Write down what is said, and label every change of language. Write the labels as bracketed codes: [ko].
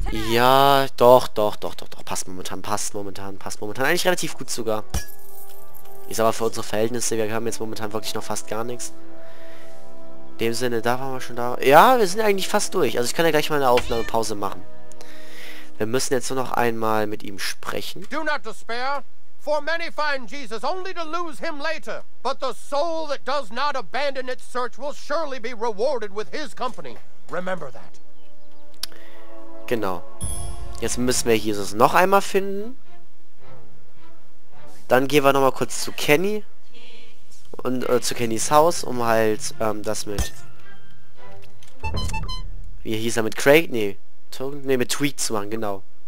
[de] Ja, doch. Passt momentan. Eigentlich relativ gut sogar. Ist aber für unsere Verhältnisse, wir haben jetzt momentan wirklich noch fast gar nichts. In dem Sinne, da waren wir schon da. Ja, wir sind eigentlich fast durch. Also ich kann ja gleich mal eine Aufnahmepause machen. Wir müssen jetzt nur noch einmal mit ihm sprechen. [en] Do not despair. For many find Jesus only to lose him later. But the soul that does not abandon its search will surely be rewarded with his company. Remember that. [de] Genau. Jetzt müssen wir Jesus noch einmal finden. Dann gehen wir nochmal kurz zu Kenny. Und zu Kennys Haus, um halt das mit... Wie hieß er? Mit Craig? Mit Tweak zu machen, genau.